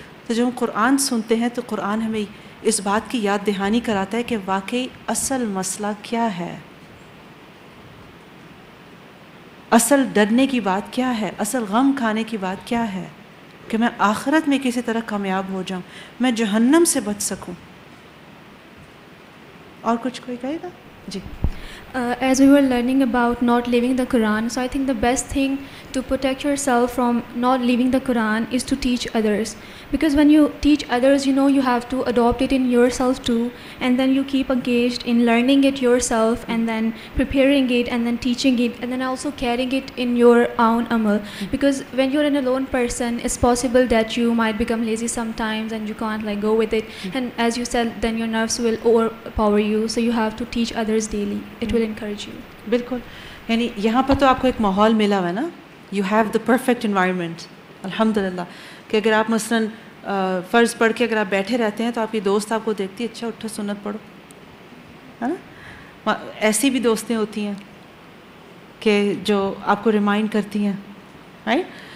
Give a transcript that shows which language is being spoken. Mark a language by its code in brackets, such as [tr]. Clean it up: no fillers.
[hi] तो जब हम कुरान सुनते हैं तो कुरान हमें इस बात की याद दहानी कराता है कि वाकई असल मसला क्या है, असल डरने की बात क्या है, असल गम खाने की बात क्या है, कि मैं आखिरत में किसी तरह कामयाब हो जाऊं, मैं जहन्नम से बच सकूं. और कुछ कोई कहेगा जी? [en] As we were learning about not leaving the Quran, so I think the best thing to protect yourself from not leaving the Quran is to teach others. Because when you teach others, you know, you have to adopt it in yourself too, and then you keep engaged in learning it yourself, and then preparing it, and then teaching it, and then also carrying it in your own amal. Because when you're an alone person, it's possible that you might become lazy sometimes and you can't like go with it. And as you said, then your nerves will overpower you, so you have to teach others daily. Will encourage you. [hi] बिल्कुल. यानी यहाँ पर तो आपको एक माहौल मिला हुआ ना, [en] you have the perfect environment [hi] अल्हम्दुलिल्लाह. कि अगर आप मसलन फ़र्ज़ पढ़ के अगर आप बैठे रहते हैं, तो आपकी दोस्त आपको देखती है, अच्छा उठो सुन्नत पढ़ो, है ना. ऐसी भी दोस्तें होती हैं कि जो आपको रिमाइंड करती हैं, राइट?